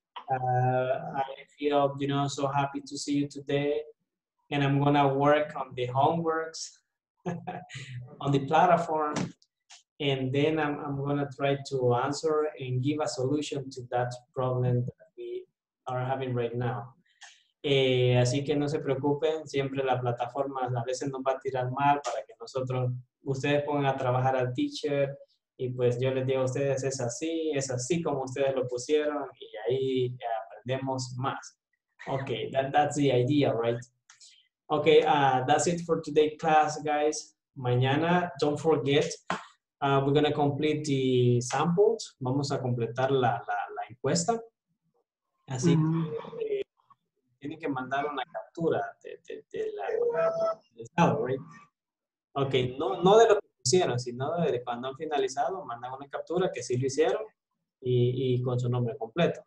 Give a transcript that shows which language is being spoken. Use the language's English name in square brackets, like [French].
[English] I feel, so happy to see you today. And I'm gonna work on the homeworks on the platform. And then I'm gonna try to answer and give a solution to that problem are having right now. [Spanish] Así que no se preocupen, siempre la plataforma a veces nos va a tirar mal para que nosotros, ustedes pongan a trabajar al teacher y pues yo les digo a ustedes, es así como ustedes lo pusieron y ahí aprendemos más. [English] Okay, that's the idea, right? Okay, that's it for today class, guys. [Spanish] Mañana, [English] don't forget, we're going to complete the samples. [Spanish] Vamos a completar la encuesta. Así que tienen que mandar una captura de la salud, right? Okay, no de lo que hicieron, sino de cuando han finalizado, mandan una captura que sí lo hicieron y con su nombre completo.